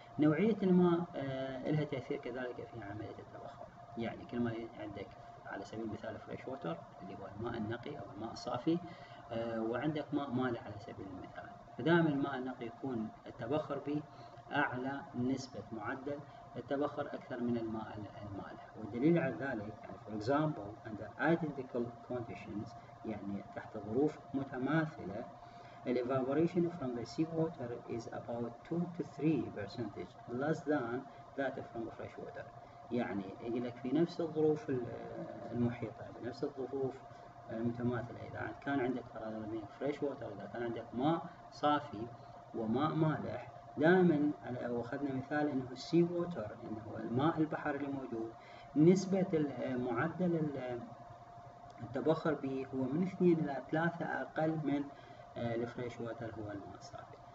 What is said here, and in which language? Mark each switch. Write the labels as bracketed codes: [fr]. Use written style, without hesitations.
[ar] نوعية الماء لها تأثير كذلك في عملية التبخر. يعني كل ما عندك على سبيل المثال فريش ووتر اللي هو الماء النقي أو الماء الصافي، وعندك ماء مالح على سبيل المثال، فدائما الماء النقي يكون التبخر به أعلى نسبة معدل التبخر أكثر من الماء المالح. والدليل على ذلك يعني [en] for example under identical conditions، [ar] يعني تحت ظروف متماثلة، [en] ال evaporation from the sea water is about 2 to 3% less than that from the fresh water. [ar] يعني يقول لك في نفس الظروف المحيطة، بنفس الظروف المتماثلة، إذا كان عندك فريش ووتر، إذا كان عندك ماء صافي وماء مالح، دائما أخذنا مثال إنه السي ووتر، إنه الماء البحر اللي موجود، نسبة معدل التبخر به هو من 2 إلى 3 أقل من الفريش ووتر هو الماء الصافي.